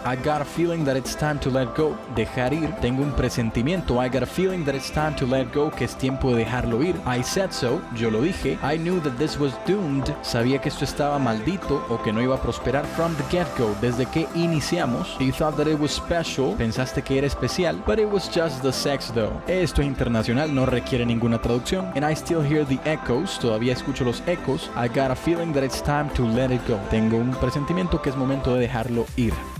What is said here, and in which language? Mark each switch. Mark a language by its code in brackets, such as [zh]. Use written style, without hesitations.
[en] I got a feeling that it's time to let go. [es] Dejar ir. Tengo un presentimiento. [en] I got a feeling that it's time to let go. [es] Que es tiempo de dejarlo ir. [en] I said so. [es] Yo lo dije. [en] I knew that this was doomed. [es] Sabía que esto estaba maldito o que no iba a prosperar. [en] From the get-go. [es] Desde que iniciamos. [en] You thought that it was special. [es] Pensaste que era especial. [en] But it was just the sex though. [es] Esto es internacional. No requiere ninguna traducción. [en] And I still hear the echoes. [es] Todavía escucho los echos. [en] I got a feeling that it's time to let it go. [es] Tengo un presentimiento que es momento de dejarlo ir.